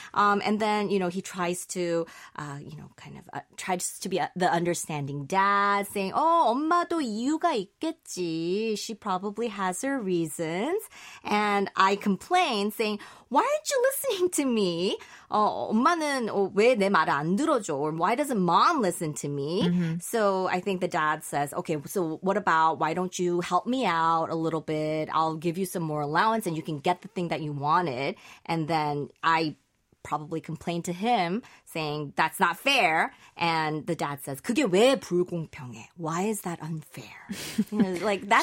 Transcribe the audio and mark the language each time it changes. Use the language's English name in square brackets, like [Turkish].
[English] And then, you know, he tries to, you know, kind of tries to be the understanding dad, saying, oh, [Korean] 엄마도 이유가 있겠지. [English] She probably has her reasons. And I complain, saying, why aren't you listening to me? [Korean] 엄마는 왜 내 말을 안 들어줘? [English] Or why doesn't mom listen to me? Mm-hmm. So I think the dad says, okay, so what about, why don't you help me out a little bit? I'll give you some more allowance and you can get the thing that you wanted. And then I probably complained to him saying, that's not fair. And the dad says, [Korean] 그게 왜 불공평해? [English] Why is that unfair? You know, like, that's